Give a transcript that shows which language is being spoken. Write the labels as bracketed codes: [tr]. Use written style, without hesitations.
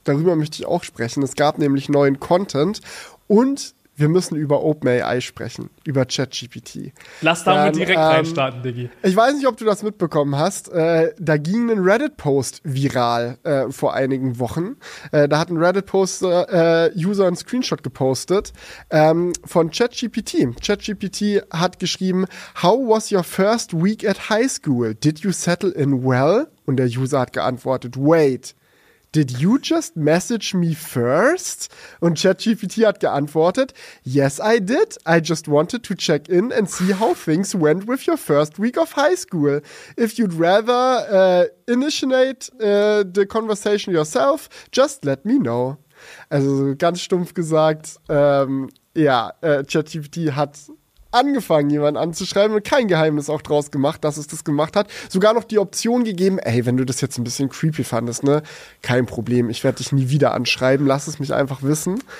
[de] Darüber möchte ich auch sprechen. Es gab nämlich neuen Content und wir müssen über OpenAI sprechen, über ChatGPT. Lass damit direkt reinstarten, Diggi. Ich weiß nicht, ob du das mitbekommen hast. Da ging ein Reddit-Post viral vor einigen Wochen. Da hat ein Reddit-Poster-User einen Screenshot gepostet von ChatGPT. ChatGPT hat geschrieben, [en] "How was your first week at high school? Did you settle in well?" [de] Und der User hat geantwortet, [en] "Wait. Did you just message me first?" [de] Und ChatGPT hat geantwortet, [en] "Yes, I did. I just wanted to check in and see how things went with your first week of high school. If you'd rather initiate the conversation yourself, just let me know." [de] Also ganz stumpf gesagt, ChatGPT hat angefangen, jemanden anzuschreiben und kein Geheimnis auch draus gemacht, dass es das gemacht hat. Sogar noch die Option gegeben, ey, wenn du das jetzt ein bisschen creepy fandest, ne, kein Problem, ich werde dich nie wieder anschreiben, lass es mich einfach wissen.